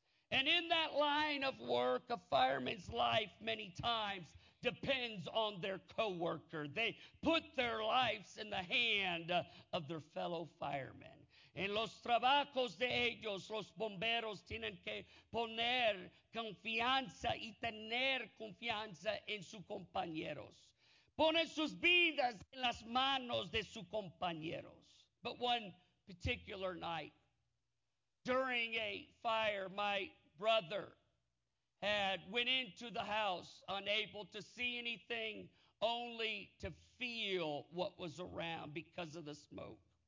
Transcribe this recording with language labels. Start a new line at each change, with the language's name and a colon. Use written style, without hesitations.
English: And in that line of work, a fireman's life many times depends on their coworker. They put their lives in the hand of their fellow firemen.
Spanish: En los trabajos de ellos, los bomberos tienen que poner confianza y tener confianza en sus compañeros. Ponen sus vidas en las manos de sus compañeros.
English: But one particular night, during a fire, my brother had went into the house unable to see anything, only to feel what was around because of the smoke.